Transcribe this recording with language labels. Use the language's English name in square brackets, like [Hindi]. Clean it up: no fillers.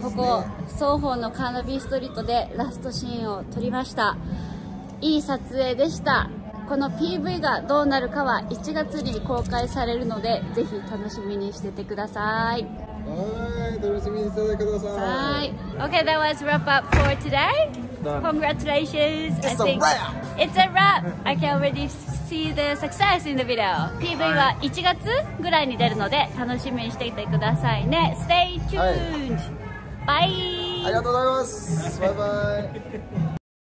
[Japanese] ここ双方のカーナビーストリートでラストシーンを撮りました。いい撮影でした。この PV がどうなるかは1月に公開されるので、ぜひ楽しみにしててください。はい、楽しみにしててください。 [English] はい。Okay, that was wrap up for today. Congratulations. It's a wrap. It's a wrap. I can already see the success in the video. [Japanese] PV は1月ぐらいに出るので、楽しみにしていてくださいね。 [English] Stay tuned. Bye. [Japanese] ありがとうございます。バイバイ。